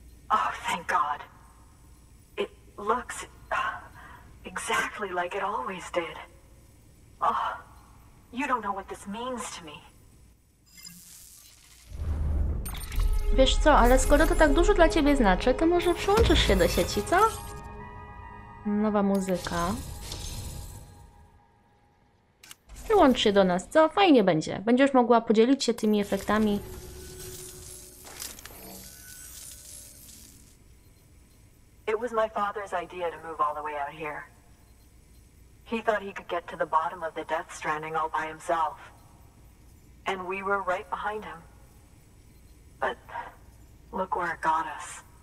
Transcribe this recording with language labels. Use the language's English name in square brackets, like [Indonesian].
[English] Oh, thank God. It looks exactly like it always did. Oh, you don't know what this means to me. [Polish] Wiesz co, ale skoro to tak dużo dla ciebie znaczy, to może przyłączysz się do sieci, co? Nowa muzyka. Przyłącz się do nas, co? Fajnie będzie. Będziesz mogła podzielić się tymi efektami. [English] It was my father's idea to move all the way out here. He thought he could get to the bottom of the Death Stranding all by himself. And we were right behind him. But look where it got us.